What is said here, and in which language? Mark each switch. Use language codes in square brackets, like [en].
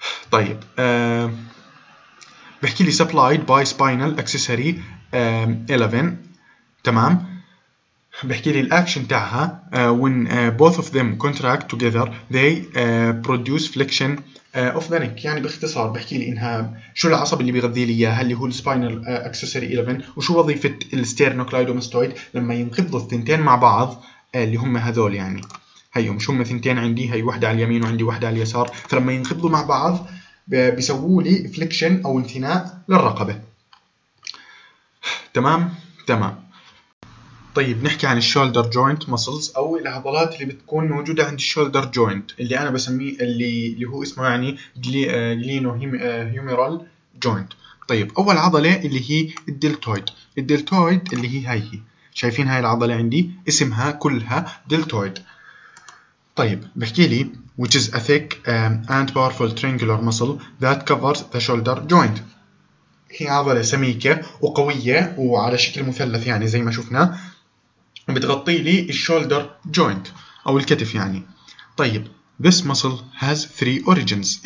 [ar] طيب بحكي لي [en] supplied by spinal accessory 11، تمام. [ar] بحكي لي الاكشن تاعها [en] when both of them contract together they produce flexion of the neck. [ar] يعني باختصار بحكي لي انها شو العصب اللي بيغذي لي اياها اللي هو spinal accessory 11، وشو وظيفه الستيرنوكلايدوماستويد لما ينقبضوا الثنتين مع بعض اللي هم هذول، يعني هيو مش هم ثنتين عندي، هي واحده على اليمين وعندي واحده على اليسار، فلما ينقبضوا مع بعض بيسووا لي فليكشن او انثناء للرقبه، تمام. تمام طيب نحكي عن الشولدر جوينت ماسلز او العضلات اللي بتكون موجوده عند الشولدر جوينت اللي انا بسميه اللي هو اسمه يعني جلينو هيومرال جوينت. طيب اول عضله اللي هي الدلتويد اللي هي هاي، شايفين هاي العضله عندي اسمها كلها دلتويد. طيب بحكي لي [en] which is a thick and powerful triangular muscle that covers the shoulder joint. [ar] هي عضلة سميكة وقوية وعلى شكل مثلث يعني زي ما شفنا، بتغطي لي الشولدر جوينت او الكتف يعني. [en] طيب this muscle has three origins.